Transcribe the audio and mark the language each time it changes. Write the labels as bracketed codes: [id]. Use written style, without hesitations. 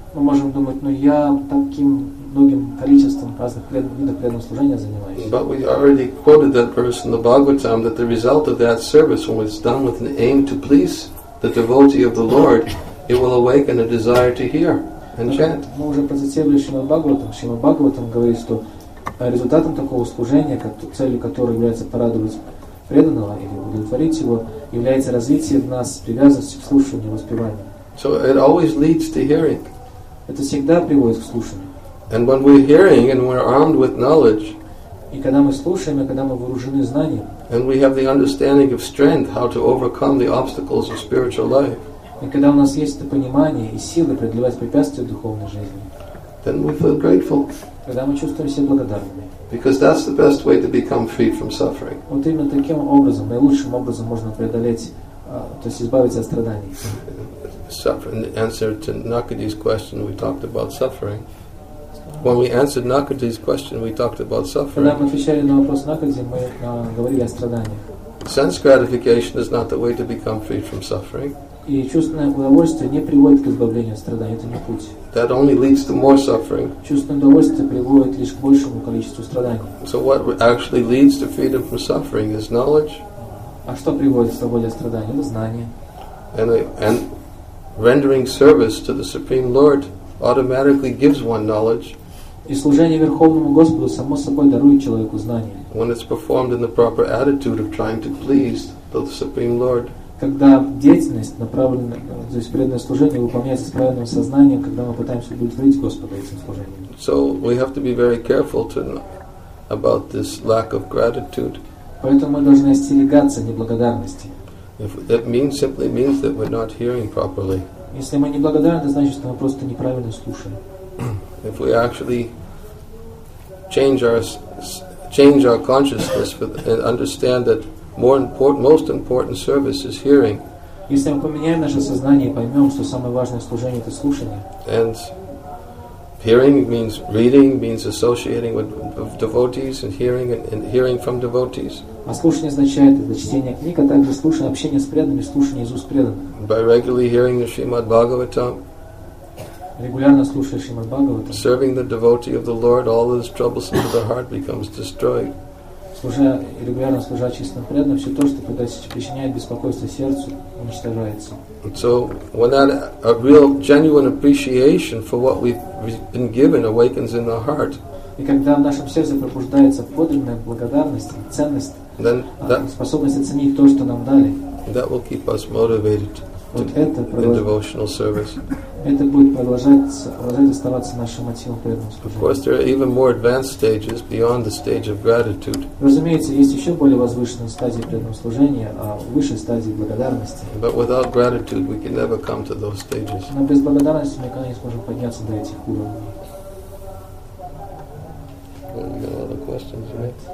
[ru] Мы можем думать, ну я таким многим количеством разных видов преданного служения занимаюсь. [en] But we already quoted that verse in the Bhagavatam that the result of that service, when it's done with an aim to please the devotee of the Lord, it will awaken a desire to hear and chant. [ru] Мы уже процитировали Шримад Бхагаватам говорит, что результатом такого служения, целью которого является порадовать преданного или удовлетворить его, является развитие в нас привязанности к слушанию и воспеванию. [en] So it always leads to hearing. [ru] Это всегда приводит к слушанию. [en] And when we're hearing and we're armed with knowledge, [ru] И когда мы слушаем, и когда мы вооружены знанием. [en] And we have the understanding of strength, how to overcome the obstacles of spiritual life. [ru] И когда у нас есть это понимание и силы преодолевать препятствия в духовной жизни. [en] Then we feel grateful. [ru] Когда мы чувствуем себя благодарными. [en] Because that's the best way to become free from suffering. [ru] Вот именно таким образом, наилучшим образом можно преодолеть, то есть избавиться от страданий. [en] Suffering. In answer to Nakadi's question, we talked about suffering. When we answered Nakadi's question, we talked about suffering. [ru] Когда мы отвечали на вопрос Накади, мы говорили о страданиях. [en] Sense gratification is not the way to become free from suffering. [ru] И чувственное удовольствие не приводит к избавлению от страданий, это не путь. [en] That only leads to more suffering. [ru] Чувственное удовольствие приводит лишь к большему количеству страданий. [en] So what actually leads to freedom from suffering is knowledge. [ru] А что приводит к свободе от страданий? Это знание. [en] And rendering service to the Supreme Lord automatically gives one knowledge. [ru] И служение Верховному Господу само собой дарует человеку знание. [en] When it's performed in the proper attitude of trying to please the Supreme Lord. [ru] Когда деятельность направлена, то есть преданное служение выполняется с правильным сознанием, когда мы пытаемся удовлетворить Господа этим служением. [en] So we have to be very careful to about this lack of gratitude. [ru] Поэтому мы должны остерегаться неблагодарности. [en] If that means simply means that we're not hearing properly. [ru] Если мы неблагодарны, это значит, что мы просто неправильно слушаем. [en] If we actually change our consciousness with, and understand that most important service is hearing. [ru] Если мы поменяем наше сознание и поймем, что самое важное служение это слушание. [en] And hearing means reading, means associating with devotees and hearing from devotees. [ru] А слушание означает это чтение книг, а также слушание, общение с преданными, слушание из уст преданных. [en] By regularly hearing the Srimad Bhagavatam. [ru] Регулярно слушая Шримад Бхагаватам. [en] Serving the devotee of the Lord, all those troubles of the heart becomes destroyed. [ru] Регулярно служа чистым преданным, все то, что причиняет беспокойство сердцу, уничтожается. [en] So when that a real genuine appreciation for what we've been given awakens in the heart. [ru] И когда в нашем сердце пробуждается подлинная благодарность, ценность, [en] then that, [ru] способность оценить то, что нам дали, [en] that will keep us motivated in devotional service. [ru] Это будет продолжать оставаться нашим мотивом преданного служения. [en] Of course, there are even more advanced stages beyond the stage of gratitude. [ru] Разумеется, есть еще более возвышенные стадии преданного служения, а выше стадии благодарности. [en] But without gratitude, we can never come to those stages. [ru] Но без благодарности мы никогда не сможем подняться до этих уровней. [en] Well, you got a lot of questions, right?